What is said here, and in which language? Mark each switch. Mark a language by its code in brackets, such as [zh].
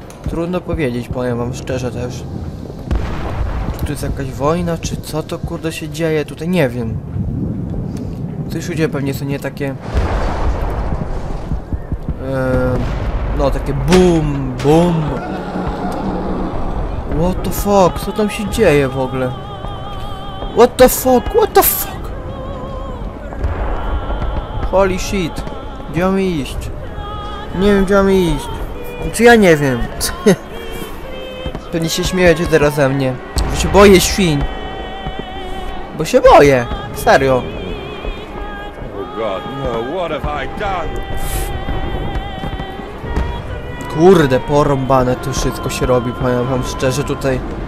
[pl] Trudno powiedzieć, powiem wam szczerze też. Czy tu jest jakaś wojna, czy co to kurde się dzieje tutaj, nie wiem. Coś ludzie pewnie są nie takie. No, takie BOOM, BOOM. [en] What the fuck, [pl] co tam się dzieje w ogóle? [en] What the fuck, what the fuck? Holy shit. [pl] Gdzie mam iść? Nie wiem, gdzie mam iść. Znaczy ja nie wiem. Pewnie się śmiejecie teraz ze mnie. Bo się boję świń. Bo się boję, serio. [en] Oh god, no, what have I done? [pl] Kurde, porąbane to wszystko się robi, powiem wam szczerze tutaj.